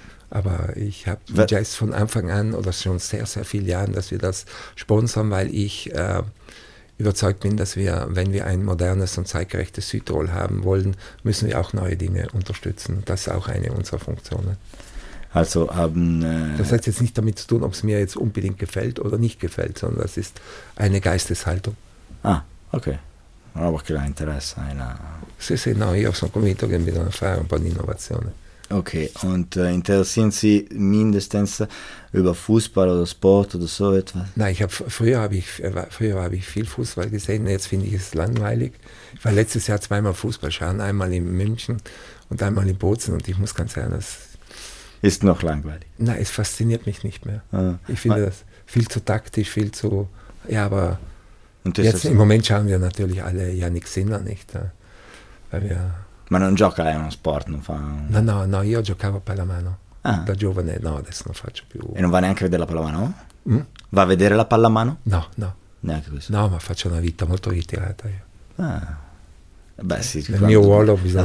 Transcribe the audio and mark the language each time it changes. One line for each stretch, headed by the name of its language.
German: Aber ich habe Jazz von Anfang an oder schon sehr, sehr viele Jahre, dass wir das sponsern, weil ich überzeugt bin, dass wir, wenn wir ein modernes und zeitgerechtes Südtirol haben wollen, müssen wir auch neue Dinge unterstützen. Das ist auch eine unserer Funktionen. Also haben... Das hat jetzt nicht damit zu tun, ob es mir jetzt unbedingt gefällt oder nicht gefällt, sondern das ist eine Geisteshaltung. Ah, okay.
Italian: Non avevo che l'interesse. Sì, no, io sono convinto che bisogna fare un po' di innovazione.
German: Okay, und interessieren Sie mindestens über Fußball oder Sport oder so etwas? Nein, früher habe ich viel Fußball gesehen, jetzt finde ich es langweilig. Ich war letztes Jahr zweimal Fußball schauen, einmal in München und einmal in Bozen und ich muss ganz ehrlich sagen, ist noch langweilig. Nein, es fasziniert mich nicht mehr. Ah. Ich finde das viel zu taktisch, viel zu. Ja, aber und jetzt im Moment schauen wir natürlich alle Yannick Sinner nicht. Weil wir
Italian: ma non gioca, è uno sport, non fa. No, io giocavo a pallamano. Ah. Da giovane, no, adesso non faccio più. E non va neanche a vedere la pallamano? Mm? Va a vedere la pallamano? No. Neanche questo. No, ma faccio una vita molto ritirata io. Ah. Beh, sì. Nel mio ruolo bisogna.